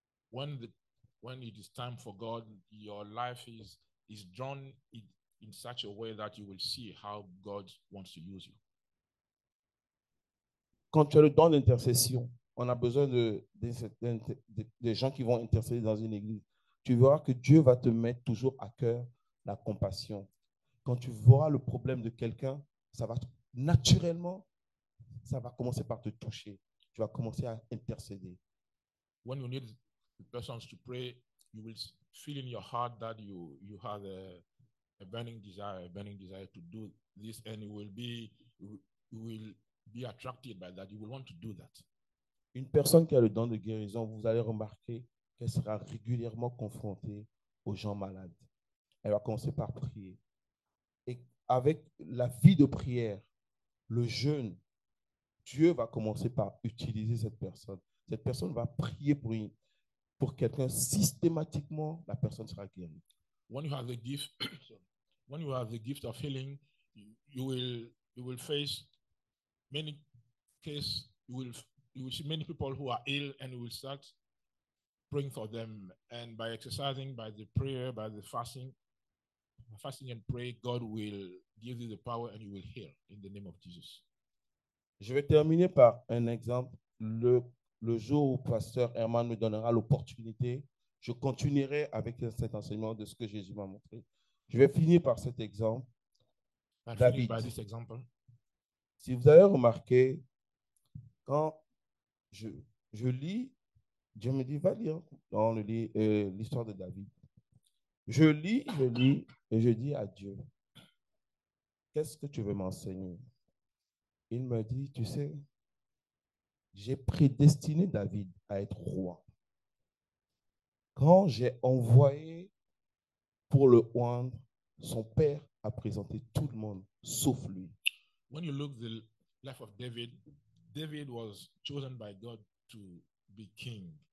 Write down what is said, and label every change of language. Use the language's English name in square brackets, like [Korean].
[English] When it is time for God, your life is drawn in such a way that you will see how God wants to use you. [French] Quand tu as le don d'intercession, on a besoin de gens qui vont intercéder dans une église. Tu verras que Dieu va te mettre toujours à cœur la compassion. Quand tu vois le problème de quelqu'un, ça va naturellement commencer par te toucher. Tu vas commencer à intercéder. [English] When you need the persons to pray, you will feel in your heart that you have a burning desire to do this, and you will be attracted by that. You will want to do that. [French] Une personne qui a le don de guérison, vous allez remarquer qu'elle sera régulièrement confrontée aux gens malades. Elle va commencer par prier. Et avec la vie de prière, le jeûne, Dieu va commencer par utiliser cette personne. Cette personne va prier pour quelqu'un, systématiquement, la personne sera guérie. [English] When you have the gift, when you have the gift of healing, you will face many cases. You will see many people who are ill, and you will start praying for them. And by exercising, by the prayer, by the fasting and pray, God will give you the power, and you will heal in the name of Jesus. [French] Je vais terminer par un exemple. Le jour où Pasteur Herman me donnera l'opportunité, je continuerai avec cet enseignement de ce que Jésus m'a montré. Je vais finir par cet exemple. [English] David, by this example. [French] Si vous avez remarqué, quand je lis Dieu me dit, va lire dans l'histoire de David. Je lis, et je dis à Dieu, qu'est-ce que tu veux m'enseigner? Il me dit, tu sais, j'ai prédestiné David à être roi. Quand j'ai envoyé pour le oindre, son père a présenté tout le monde, sauf lui. [English] When you look the life of David, David was chosen by God to be king.